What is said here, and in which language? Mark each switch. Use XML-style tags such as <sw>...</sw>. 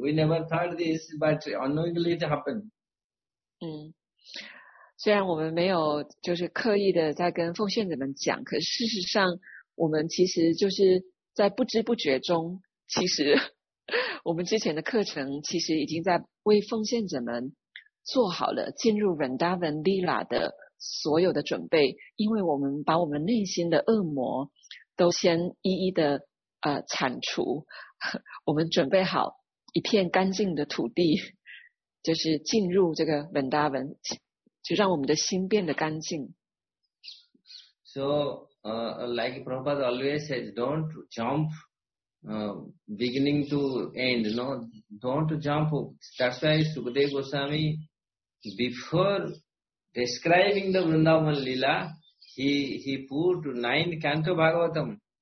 <en>We never thought this, but unknowingly it happened.</en> <zh>虽然我们没有就是刻意的在跟奉献者们讲，可事实上我们其实就是在不知不觉中，其实我们之前的课程其实已经在为奉献者们做好了进入 Vrindavan Lila 的所有的准备，因为我们把我们内心的恶魔都先一一的铲除，我们准备好一片干净的土地，就是进入这个 Vrindavan， 就让我们的心变得干净。</zh> <en>Like Prabhupada always says, don't jump beginning to end, no, don't jump. That's why Sukadeva Goswami, before describing the Vrindavan Leela, he put 9 Canto Bhagavatam.</en>